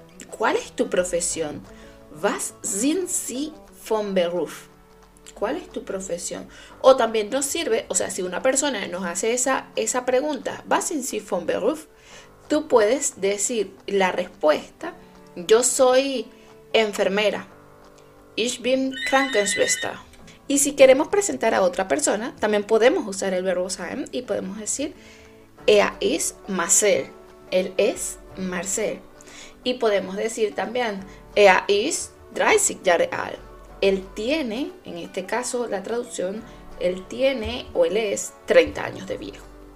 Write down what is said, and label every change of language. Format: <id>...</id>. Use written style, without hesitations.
<es>¿Cuál es tu profesión?</es> <de>Was sind Sie vom Beruf?</de> <es>¿Cuál es tu profesión? O también nos sirve, o sea, si una persona nos hace esa pregunta,</es> <de>Was sind Sie vom Beruf?</de> <es>Tú puedes decir la respuesta, yo soy enfermera.</es> <de>Ich bin Krankenschwester.</de> <es>Y si queremos presentar a otra persona, también podemos usar el verbo sein y podemos decir</es> <de>Er ist Marcel.</de> <es>Él es Marcel. Y podemos decir también</es> <de>Er ist 30 Jahre alt.</de> <es>Él tiene, en este caso la traducción, él tiene o él es 30 años de viejo.</es>